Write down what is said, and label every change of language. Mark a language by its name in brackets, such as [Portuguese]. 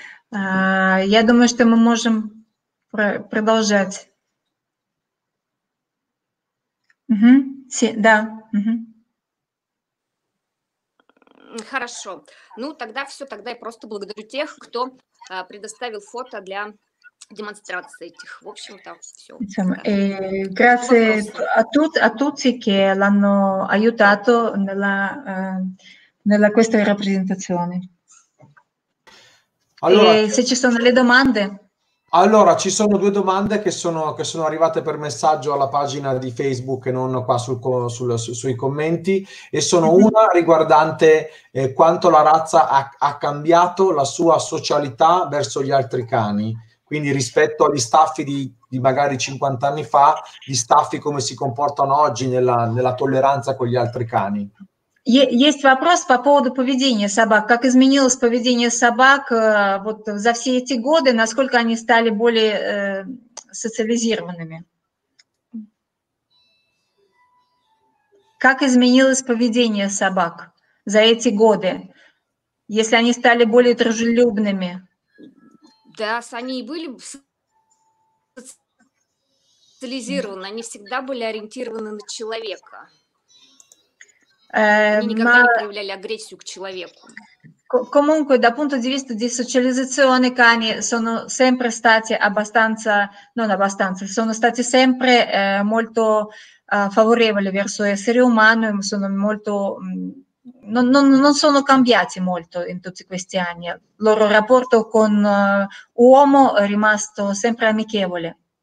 [Russian] Я думаю, что мы можем продолжать. Да. Хорошо. Ну, тогда все, тогда я просто благодарю тех, кто предоставил фото для демонстрации этих. В общем-то, все. [Italian] Grazie a tutti che l'hanno aiutato nella questa rappresentazione. Allora, se ci sono le domande. Allora, ci sono due domande che sono arrivate per messaggio alla pagina di Facebook e non qua sui commenti, e sono una riguardante quanto la razza ha cambiato la sua socialità verso gli altri cani, quindi rispetto agli staffi di magari 50 anni fa, gli staffi come si comportano oggi nella tolleranza con gli altri cani. [Russian] Есть вопрос по поводу поведения собак. Как изменилось поведение собак вот за все эти годы, насколько они стали более социализированными? Как изменилось поведение собак за эти годы, если они стали более дружелюбными? Да, они и были социализированы, они всегда были ориентированы на человека. [Italian] Comunque dal punto di vista di socializzazione i cani sono sempre stati abbastanza, non abbastanza, sono stati sempre molto favorevoli verso l'essere umano, sono molto, non sono cambiati molto in tutti questi anni, il loro rapporto con l'uomo è rimasto sempre amichevole.